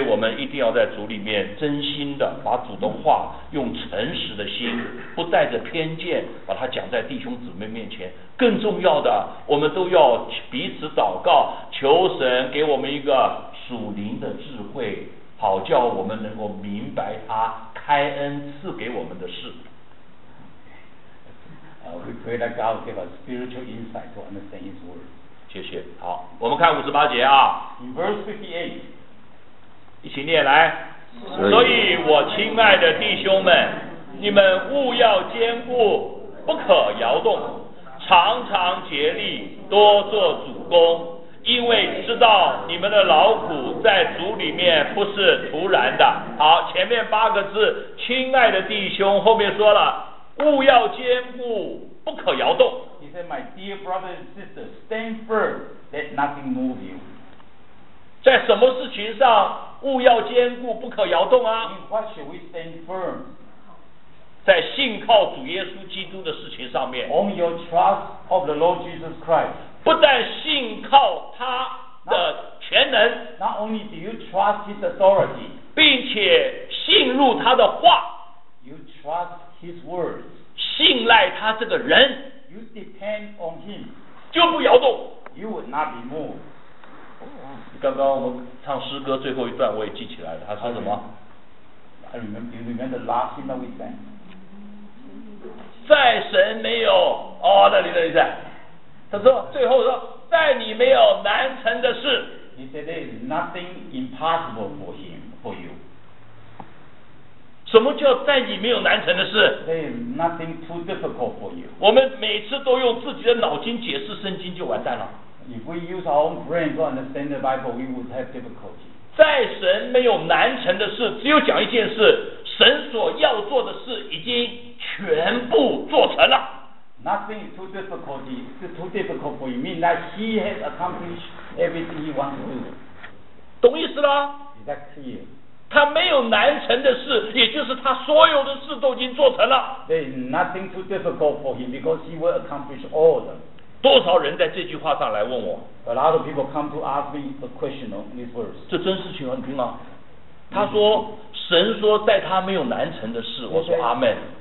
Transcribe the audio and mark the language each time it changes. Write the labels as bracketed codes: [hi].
[zh] 我们一定要在主里面真心的把主的话用诚实的心，不带着偏见，把它讲在弟兄姊妹面前。更重要的，我们都要彼此祷告，求神给我们一个属灵的智慧，好叫我们能够明白他开恩赐给我们的事。 [en] We pray that God give us spiritual insight to understand His word. [zh] 谢谢。好，我们看五十八节啊。 [en] In verse 58， [zh] 一起念来。所以，我亲爱的弟兄们，你们务要坚固，不可摇动，常常竭力，多做主工，因为知道你们的劳苦在主里面不是徒然的。好，前面八个字，亲爱的弟兄，后面说了，务要坚固，不可摇动。 [en] He said, "My dear brothers and sisters, stand firm. Let nothing move you." [zh] 在什么事情上务要坚固，不可摇动啊 [en] ？In what should we stand firm? [zh] 在信靠主耶稣基督的事情上面。 [en] On your trust of the Lord Jesus Christ. [zh] 不但信靠他的全能。 [en] Not only do you trust His authority, [zh] 并且信入他的话。 [en] You trust His words. [zh] 信赖他这个人。 [en] You depend on him, [zh] 就不摇动。 [en] You would not be moved. [zh] 刚刚我们唱诗歌最后一段我也记起来了，他说什么？ [en] I remember the last thing that we sang。 [zh] 在神没有哦，那里那里在，他说最后说在你没有难成的事。 [en] He said there is nothing impossible for him for you。 [zh] 什么叫在你没有难成的事？ [en] There is nothing too difficult for you。 [zh] 我们每次都用自己的脑筋解释圣经就完蛋了。 [en] If we use our own brain to understand the Bible, we would have difficulty。 [zh] 在神没有难成的事，只有讲一件事，神所要做的事已经全部做成了。 [en] Nothing is too difficult. It's too difficult for you. Mean that he has accomplished everything he wants to do. [zh] 懂意思了？ [en] Is that clear? [zh] 他没有难成的事，也就是他所有的事都已经做成了。 [en] There is nothing too difficult for him because he will accomplish all of them. [zh] 多少人在这句话上来问我？ [en] A lot of people come to ask me a question on this verse. [zh] 这真事情你听吗？他说。神说在他没有难成的事，我说阿们。